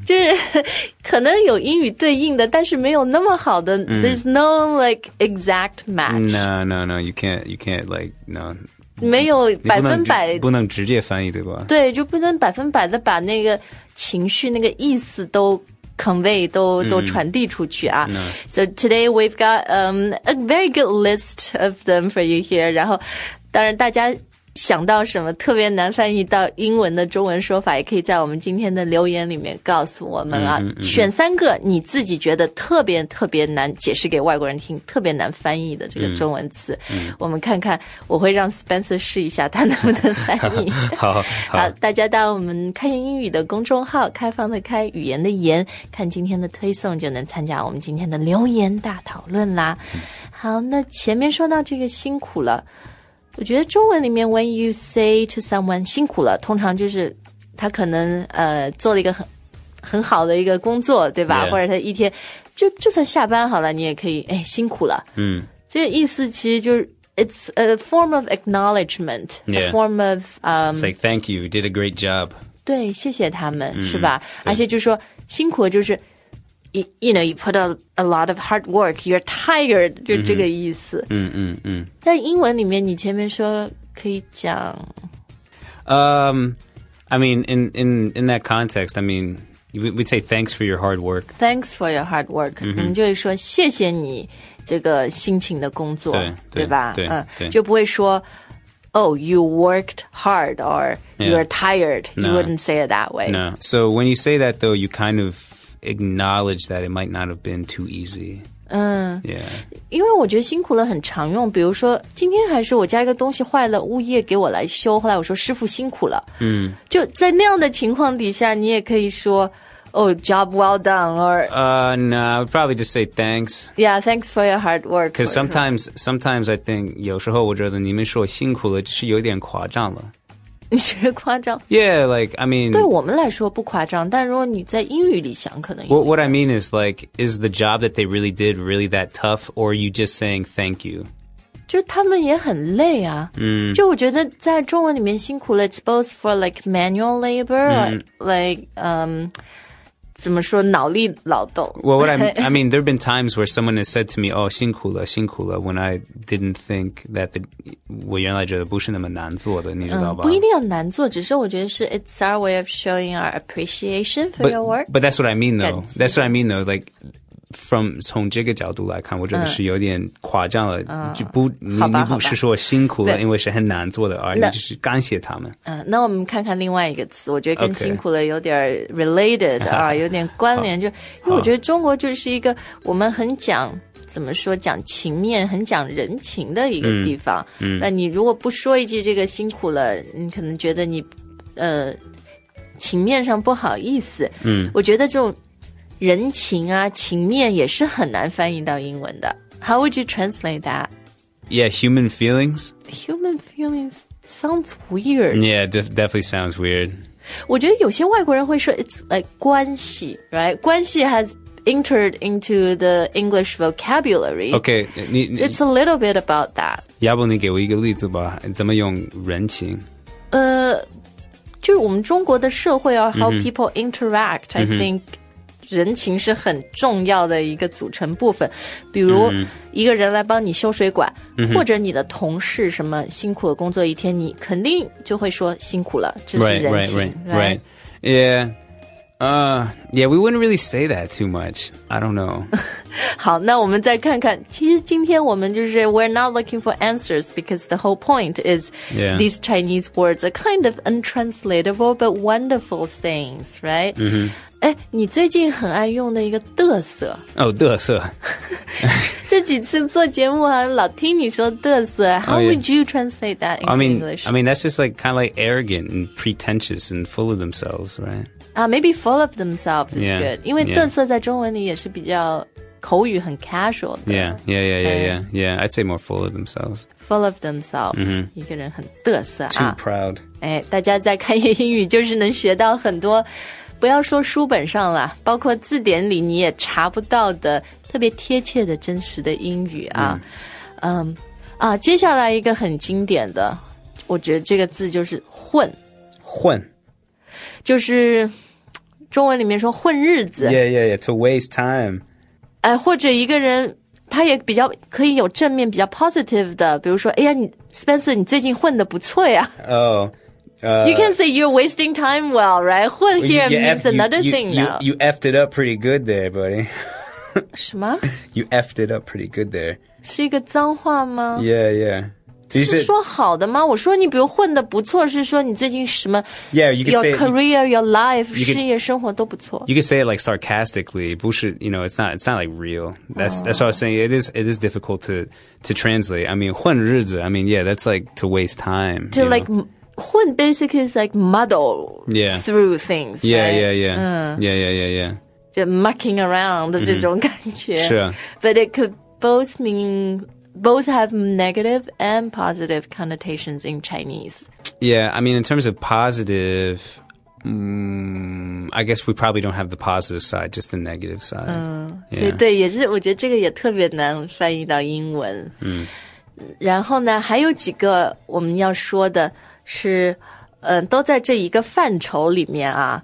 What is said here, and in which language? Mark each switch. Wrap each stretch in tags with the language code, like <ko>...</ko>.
<zh>就是可能有英语对应的但是没有那么好的、</zh> <en>There's no, like, exact match. No, you can't, like, no.</en> <zh>没有百分百。不能直接翻译，对吧？对，就不能百分百的把那个情绪、那个意思都convey, 都传递出去啊。</zh> <en>So today we've got a very good list of them for you here.</en> <zh>然后当然大家想到什么特别难翻译到英文的中文说法也可以在我们今天的留言里面告诉我们啊。选三个你自己觉得特别特别难解释给外国人听特别难翻译的这个中文词。我们看看我会让 Spencer 试一下他能不能翻译。好大家到我们开言英语的公众号开放的开语言的言看今天的推送就能参加我们今天的留言大讨论啦。好那前面说到这个辛苦了。我觉得中文里面</zh> <en>when you say to someone</en> <zh>辛苦了通常就是他可能做了一个很好的一个工作对吧、</zh> <en>yeah.</en> <zh>或者他一天就算下班好了你也可以哎辛苦了。这个意思其实就是</zh> <en>it's a form of acknowledgement,、 yeah. a form of, It's like, thank you, you did a great job.</en> <zh>对谢谢他们、是吧而且就是说辛苦就是</zh> <en>you know, you put a lot of hard work, you're tired,</en> <zh>就这个意思。但英文里面你前面说可以讲</zh> <en>I mean, in that context, I mean, we'd say thanks for your hard work. Thanks for your hard work.</en> <zh>我们就会说谢谢你这个辛勤的工作对吧对、对就不会说</zh> <en>oh, you worked hard or you're tired. No, you wouldn't say it that way. No. So when you say that, though, you kind of acknowledge that it might not have been too easy. Yeah.</en> <zh>因为我觉得辛苦了很常用比如说今天还是我家一个东西坏了物业给我来修后来我说师傅辛苦了。就在那样的情况底下你也可以说</zh> <en>Oh, job well done. Or, no, I would probably just say thanks. Yeah, thanks for your hard work. Because sometimes I think,</en> <zh>有时候我觉得你们说辛苦了就是有点夸张了。你觉得夸张</zh> <en>Yeah, like, I mean</en> <zh>对我们来说不夸张但如果你在英语里想可能</zh> <en>What I mean is like Is the job that they really did really that tough Or are you just saying thank you</en> <zh>就他们也很累啊、就我觉得在中文里面辛苦了</zh> <en>It's both for like manual labor、Like,</en> <zh>怎么说脑力劳动</zh> <en>Well, what I mean There have been times where someone has said to me Oh, 辛苦了辛苦了 When I didn't think that the,</en> <zh>我原来觉得不是那么难做的你知道吧、不一定要难做只是我觉得是</zh> <en>It's our way of showing our appreciation for your work But that's what I mean though That's what I mean though Like, from</en> <zh>从这个角度来看我觉得是有点夸张了、就不 你不是说辛苦了因为是很难做的而你就是感谢他们那我们看看另外一个词我觉得跟辛苦了有点 related、</zh> <en>okay.</en> <zh>有点关联就因为我觉得中国就是一个我们很讲怎么说讲情面很讲人情的一个地方那你如果不说一句这个辛苦了你可能觉得你情面上不好意思我觉得这种人情啊情面也是很难翻译到英文的</zh> <en>How would you translate that? Yeah, human feelings Human feelings sounds weird Yeah, definitely sounds weird</en> <zh>我觉得有些外国人会说</zh> <en>It's like</en> <zh>关系 right?</zh> <en>关系 has entered into the English vocabulary Okay It's a little bit about that</en> <zh>要不你给我一个例子吧怎么用人情就是我们中国的社会啊</zh> <en>How people interact、</en> <zh>I think人情是很重要的一个组成部分比如一个人来帮你修水管、或者你的同事什么辛苦的工作一天你肯定就会说辛苦了这是人情</zh> <en>right. Yeah. Yeah, we wouldn't really say that too much. I don't know.</en> <zh>好，那我们再看看。其实今天我们就是</zh> <en>we're not looking for answers because the whole point is、 yeah. these Chinese words are kind of untranslatable but wonderful things, right? Mm-hmm.</en> <zh>哎，你最近很爱用的一个嘚瑟哦，嘚瑟。这几次做节目啊，老听你说嘚瑟。</zh> <en>How would you translate that into English? I mean, that's just like kind of like arrogant and pretentious and full of themselves, right? Maybe full of themselves is good.</en> <zh>因为嘚瑟在中文里也是比较口语很 casual 的。</zh> <en>Yeah. I'd say more full of themselves. Full of themselves.</en> <zh>一个人很嘚瑟啊。</zh> <en>Too proud.</en> <zh>哎，大家在开业英语就是能学到很多。不要说书本上了，包括字典里你也查不到的特别贴切的真实的英语啊。接下来一个很经典的，我觉得这个字就是混。混。就是中文里面说混日子。</zh> <en>Yeah, to waste time.</en> <zh>哎，或者一个人他也比较可以有正面比较 positive 的，比如说哎呀你 Spencer, 你最近混得不错呀。</zh> <en>You can say you're wasting time well, right? 混 here means another thing now. You effed it up pretty good there, buddy.</en> <zh>什么?</zh> <en>You effed it up pretty good there.</en> <zh>是一个脏话吗?</zh> <en>Yeah.</en> <zh>是说好的吗? 我说你比如混得不错,是说你最近什么?</zh> <en>Yeah, you can say... Your career, your life,</en> <zh>事业生活都不错。</zh> <en>You can say it like sarcastically, 不是, you know, it's not like real. That's what I was saying. It is difficult to translate. I mean, 混日子, I mean, yeah, that's like to waste time. To like... 混 basically is like muddle through things, Yeah. Just mucking around</en> <zh>的这种感觉。是啊。</zh> <en>But it could both mean, both have negative and positive connotations in Chinese. Yeah, I mean, in terms of positive, I guess we probably don't have the positive side, just the negative side.</en> <zh>对，也是，我觉得这个也特别难翻译到英文。嗯。然后呢，还有几个我们要说的是都在这一个范畴里面啊，</zh>